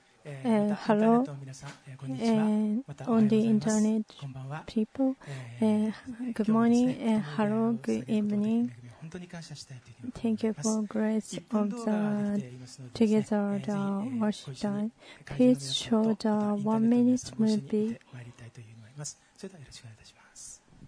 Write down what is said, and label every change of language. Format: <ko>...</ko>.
<ja>ハロー、皆さん、こんにちは。またおはようございます。 Internet こんばんは。</ja> <en>People、Good morning、ね、Hello, Good evening。</en> <ja>本当に感謝したいというふうに思います。</ja> <en>Thank you for grace of the together the watch time. Please show the 1 minute movie。</en> <ja>それではよろしくお願いいたします。</ja>